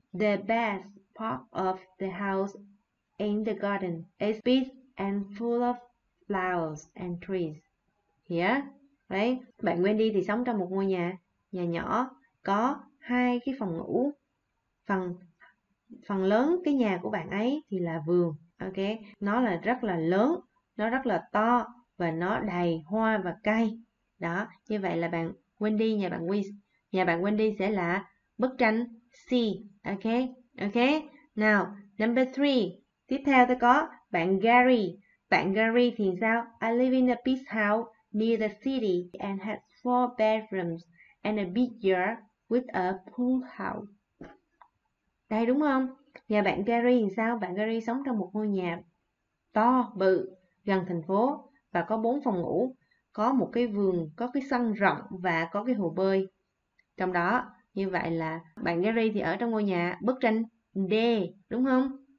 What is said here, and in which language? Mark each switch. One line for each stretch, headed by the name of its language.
English: The best part of the house in the garden is big and full of flowers and trees.
Vietnamese: Here, đấy, bạn Wendy thì sống trong một ngôi nhà, nhà nhỏ, có hai cái phòng ngủ. Phần lớn cái nhà của bạn ấy thì là vườn. Ok, nó là rất là lớn, nó rất là to và nó đầy hoa và cây. Đó, như vậy là bạn Wendy, nhà bạn Wendy. Nhà bạn Wendy sẽ là bức tranh C.
English: Ok, ok. Now, number 3.
Vietnamese: Tiếp theo ta có bạn Gary. Bạn Gary thì sao?
English: I live in a big house near the city and has four bedrooms and a big yard with a pool house.
Vietnamese: Đây đúng không? Nhà bạn Gary thì sao? Bạn Gary sống trong một ngôi nhà to, bự, gần thành phố và có bốn phòng ngủ, có một cái vườn, có cái sân rộng và có cái hồ bơi. Trong đó, như vậy là bạn Gary thì ở trong ngôi nhà bức tranh D, đúng không?